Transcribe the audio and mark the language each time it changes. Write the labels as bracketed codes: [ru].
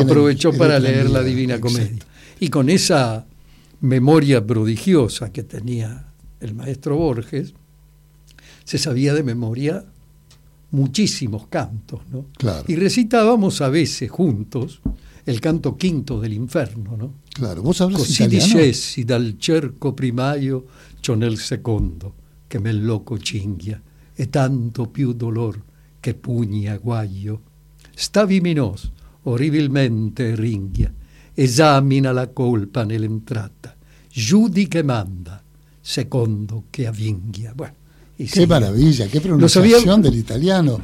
[es] Aprovechó para leer la Divina Comedia. Exacto. Y con esa memoria prodigiosa que tenía el maestro Borges, se sabía de memoria muchísimos cantos, ¿no? Claro. Y recitábamos a veces juntos el canto quinto del Inferno, ¿no? Claro, vos hablas [it] italiano. Così dicessi dal cerco primaio, c'ho nel secondo che me loco cinghia, e tanto più dolor che pugni aguaio. Stavi minos, orribilmente ringhia, esamina la colpa nell'entrata, giudica e manda, secondo che avinghia. [es] Bueno. Qué maravilla, qué pronunciación del italiano.